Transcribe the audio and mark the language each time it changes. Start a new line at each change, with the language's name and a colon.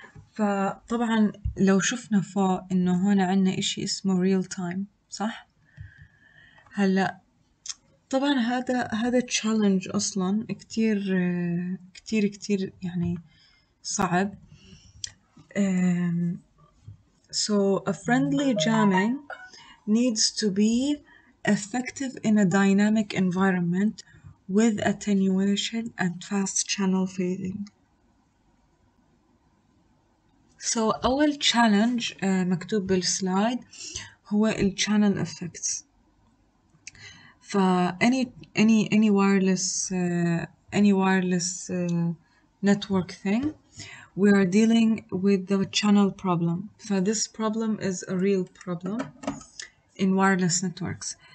Arabic: فطبعا لو شفنا فوق انه هون عندنا اشي اسمه
English: real time
Arabic: صح؟ هلا طبعا هذا تشالنج اصلا كتير كتير كتير يعني صعب،
English: So a friendly jamming needs to be effective in a dynamic environment with attenuation and fast channel fading. So
Arabic: أول challenge مكتوب بالسلايد هو ال channel effects.
English: ف any wireless any wireless network thing we are dealing with the channel problem. So this problem is a real problem in wireless networks.